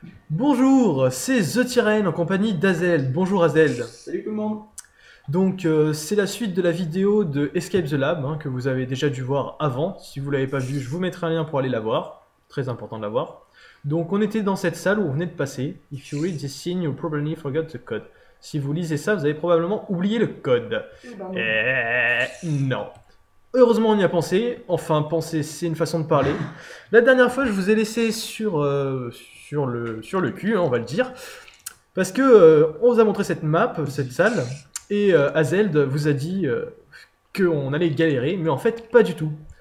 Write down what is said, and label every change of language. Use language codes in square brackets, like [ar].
[fr] Bonjour, c'est The Tyrène en compagnie d'Azeld. Bonjour Azeld. Salut tout le monde. Donc, c'est la suite de la vidéo de Escape the Lab hein, que vous avez déjà dû voir avant. Si vous ne l'avez pas vue, je vous mettrai un lien pour aller la voir. Très important de la voir. Donc, on était dans cette salle où on venait de passer. [en] If you read this scene, you probably forgot the code. [fr] Si vous lisez ça, vous avez probablement oublié le code. Non. Non. Heureusement, on y a pensé. Enfin, penser, c'est une façon de parler. La dernière fois, je vous ai laissé sur le cul, on va le dire. Parce que on vous a montré cette map, cette salle, et Azeld vous a dit qu'on allait galérer, mais en fait, pas du tout.